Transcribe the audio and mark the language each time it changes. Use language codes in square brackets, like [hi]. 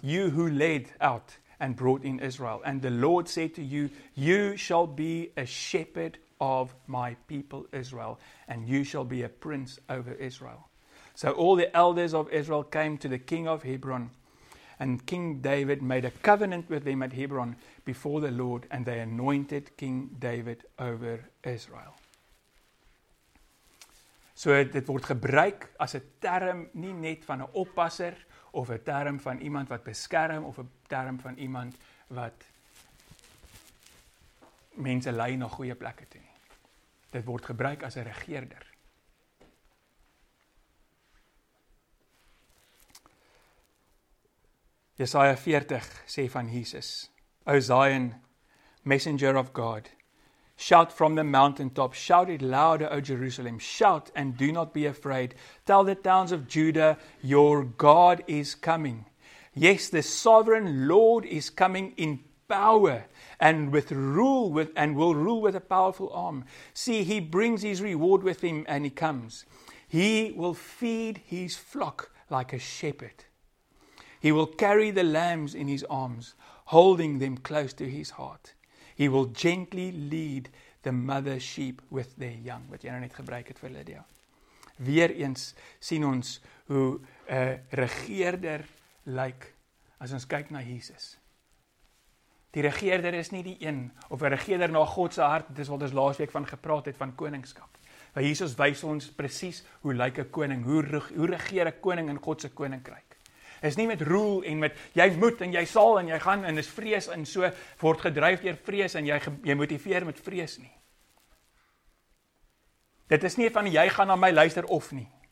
[en] "You who led out and brought in Israel. And the Lord said to you, 'You shall be a shepherd of my people Israel, and you shall be a prince over Israel.' So all the elders of Israel came to the king of Hebron, and King David made a covenant with them at Hebron before the Lord, and they anointed King David over Israel." [af] So dit word gebruik as 'n term nie net van 'n oppasser of 'n term van iemand wat beskerm of 'n term van iemand wat mense lei na goeie plekke toe. Dit word gebruik as 'n regerder. Jesaja 40 sê van Jesus, [en] "O Zion, messenger of God, shout from the mountaintop, shout it louder, O Jerusalem, shout and do not be afraid. Tell the towns of Judah, your God is coming. Yes, the sovereign Lord is coming in power and with rule with and will rule with a powerful arm. See, he brings his reward with him and he comes. He will feed his flock like a shepherd. He will carry the lambs in his arms, holding them close to his heart. He will gently lead the mother sheep with their young." [af] Wat jy nou net gebruik het vir Lydia. Weereens sien ons hoe 'n regerder lyk as ons kyk na Jesus. Die regerder is nie die een of 'n regerder na God se hart. Dis wat ons laasweek van gepraat het van koningskap. Maar Jesus wys ons presies hoe lyk 'n koning, hoe regeer 'n koning in God se koninkryk. Is nie met roel en met jy moet en jy sal en jy gaan en is vrees en so word gedryf deur vrees en jy motiveer met vrees nie. Dit is nie van jy gaan na my luister of nie.